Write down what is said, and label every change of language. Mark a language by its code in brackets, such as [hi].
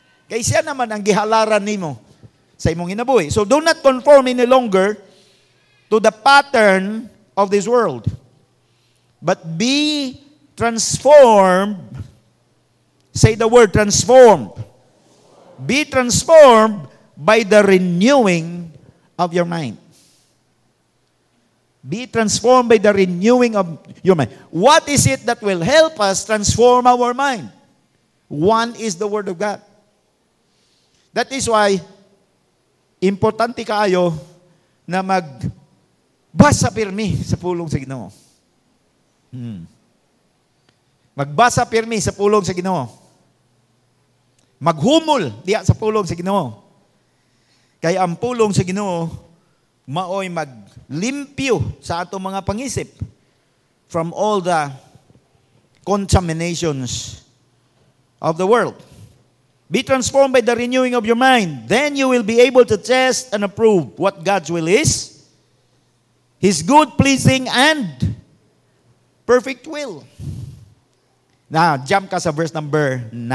[ceb] Kaya siya naman ang gihalaran nimo sa imong ginabuhi. [en] So, do not conform any longer to the pattern of this world. But be transformed. Say the word, transformed. Be transformed by the renewing of your mind. Be transformed by the renewing of your mind. What is it that will help us transform our mind? One is the Word of God. That is why, [ceb] importante kaayo na magbasa pirmi sa pulong sa Ginoo. Magbasa pirmi sa pulong sa Ginoo. Maghumol diya sa pulong sa Ginoo. Kaya ang pulong sa Ginoo maoy maglimpyo sa atong mga pangisip [en] from all the contaminations of the world. Be transformed by the renewing of your mind. Then you will be able to test and approve what God's will is, His good, pleasing, and perfect will. [ceb] Now, jump ka sa verse number 9.